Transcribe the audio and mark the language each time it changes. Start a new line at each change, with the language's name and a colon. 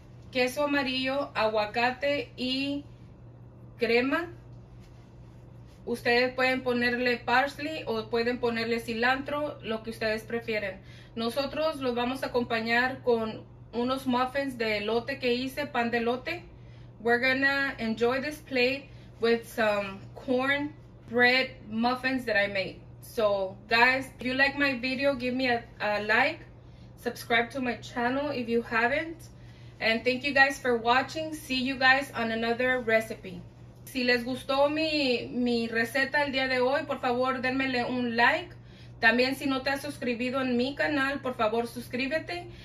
Spanish: Queso amarillo, aguacate y crema. Ustedes pueden ponerle parsley o pueden ponerle cilantro, lo que ustedes prefieren. Nosotros los vamos a acompañar con unos muffins de elote que hice, pan de elote.
English: We're gonna enjoy this plate with some corn bread muffins that I made. So guys, if you like my video, give me a like, subscribe to my channel if you haven't, and thank you guys for watching. See you guys on another recipe.
Spanish: Si les gustó mi receta el día de hoy, por favor denmele un like. También si no te has suscribido en mi canal, por favor suscríbete.